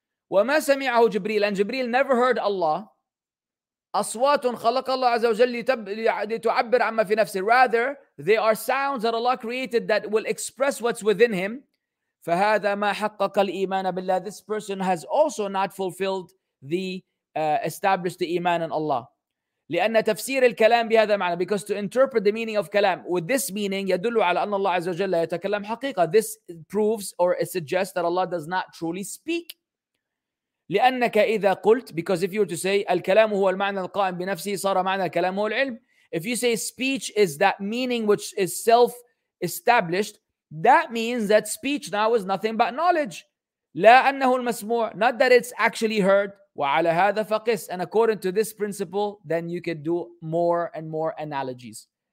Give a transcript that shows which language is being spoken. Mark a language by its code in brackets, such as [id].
[ar] وما سمعه جبريل, [en] and جبريل never heard Allah, [ar] أصوات خلق الله عز وجل لتعبر عما في نفسه. [en] Rather, they are sounds that Allah created that will express what's within him. [ar] فهذا ما حقق الإيمان بالله. [en] This person has also not fulfilled the established the إيمان in Allah. [ar] لأن تفسير الكلام بهذا معنى. [en] Because to interpret the meaning of كلام with this meaning [ar] يدل على أن الله عز وجل يتكلم حقيقة. [en] This proves or suggests that Allah does not truly speak. [ar] لأنك إذا قلت, [en] because if you were to say [ar] الكلام هو المعنى القائم بنفسه صار معنى الكلام هو العلم. [en] If you say speech is that meaning which is self-established, that means that speech now is nothing but knowledge. [ar] لا أنه المسموع, [en] not that it's actually heard. [ar] وعلى هذا فقس, [en] and according to this principle, then you could do more and more analogies.